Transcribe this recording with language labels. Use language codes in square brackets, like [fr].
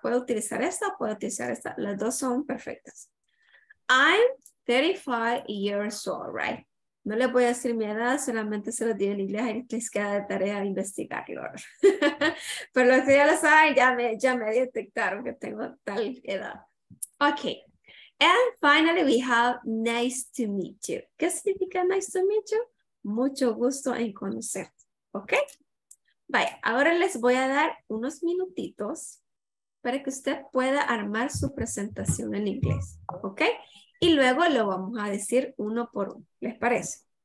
[es] Puede utilizar esta o puede utilizar esta. Las dos son perfectas. [en] I'm 35 years old, right? [es] No le voy a decir mi edad, solamente se lo digo en inglés y les queda de tarea investigarlo. Pero los que ya lo saben, ya me detectaron que tengo tal edad. [en] Ok. And finally we have nice to meet you. [es] ¿Qué significa [en] nice to meet you? [es] Mucho gusto en conocerte, ¿ok? Vaya, ahora les voy a dar unos minutitos para que usted pueda armar su presentación en inglés, ¿ok? Y luego lo vamos a decir uno por uno, ¿les parece?